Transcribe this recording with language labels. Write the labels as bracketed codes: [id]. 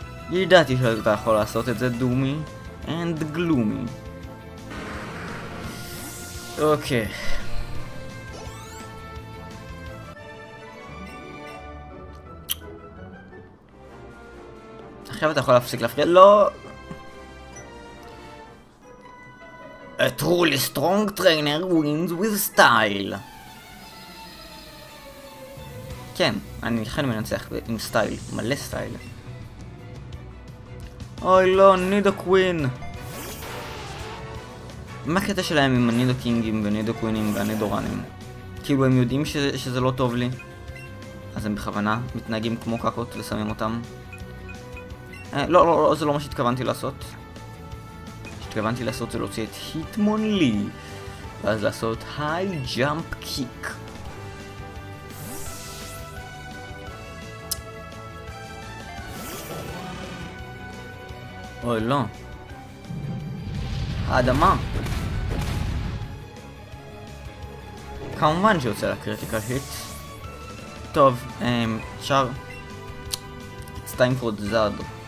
[he] ידעתי שאתה יכול לעשות את זה, דומי אנד גלומי. אוקיי. עכשיו אתה יכול להפסיק להפריע. לא! [en] A truly strong trainer wins with style. [he] כן, אני אכן מנצח עם סטייל, מלא סטייל. אוי לא, נידוקווין! מה הקטע שלהם עם הנידוקינגים ונידוקווינים והנידורנים? כאילו הם יודעים שזה לא טוב לי, אז הם בכוונה מתנהגים כמו קקות ושמים אותם. לא, לא, לא, זה לא מה שהתכוונתי לעשות. מה שהתכוונתי לעשות זה להוציא את היטמון לי, ואז לעשות היי ג'אמפ קיק. אוי לא, האדמה. כמובן שיוצא לקריטיקל היט. טוב, אפשר [en] It's time for the Zard.